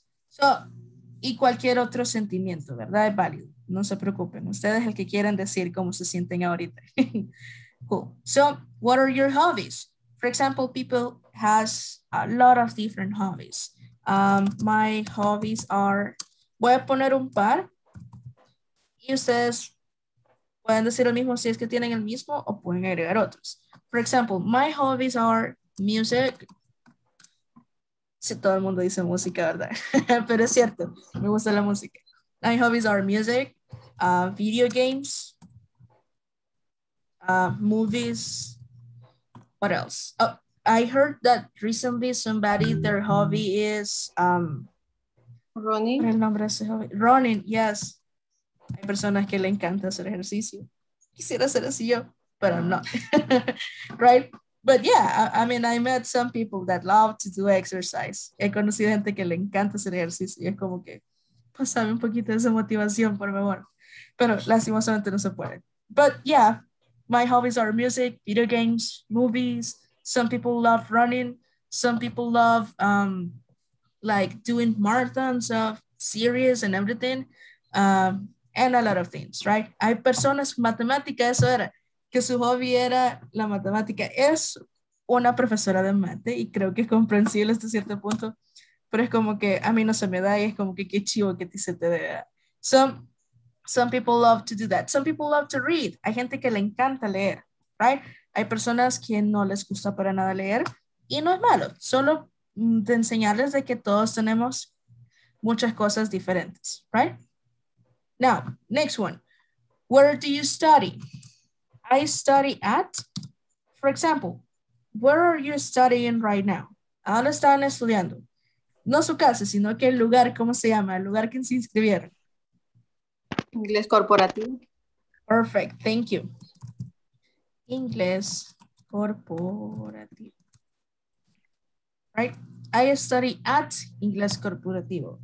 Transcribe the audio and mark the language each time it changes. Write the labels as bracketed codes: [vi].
[es] So, y cualquier otro sentimiento, ¿verdad? Es válido. No se preocupen. Ustedes el que quieran decir cómo se sienten ahorita. [en] Cool. So, what are your hobbies? For example, people has a lot of different hobbies. My hobbies are... [es] Voy a poner un par. Y ustedes pueden decir lo mismo si es que tienen el mismo o pueden agregar otros. [en] For example, my hobbies are music. [es] Sí, todo el mundo dice música, ¿verdad? Pero es cierto, me gusta la música. [en] My hobbies are music, video games, movies, what else? Oh, I heard that recently somebody, their hobby is... Running. [es] El nombre de ese hobby. [en] Running, yes. [es] Hay personas que le encanta hacer ejercicio. Quisiera ser así yo, [en] but I'm not. Right? But yeah, I mean, I met some people that love to do exercise. [es] He conocido gente que le encanta hacer ejercicio. Y es como que, pásame un poquito de esa motivación, por favor. Pero lastimosamente no se puede. [en] But yeah, my hobbies are music, video games, movies. Some people love running. Some people love like doing marathons of series and everything. And a lot of things, right? [es] Hay personas, matemática, eso era, que su hobby era la matemática. Es una profesora de mate y creo que es comprensible hasta cierto punto, pero es como que a mí no se me da y es como que qué chivo que te se te dé. [en] Some people love to do that. Some people love to read. [es] Hay gente que le encanta leer, right? Hay personas que no les gusta para nada leer y no es malo. Solo de enseñarles de que todos tenemos muchas cosas diferentes, right? [en] Now, next one. Where do you study? I study at, for example, where are you studying right now? [es] ¿Dónde están estudiando? No su casa, sino que el lugar, ¿cómo se llama? El lugar que se inscribieron. Inglés corporativo. [en] Perfect, thank you. Inglés corporativo. Right? I study at inglés corporativo.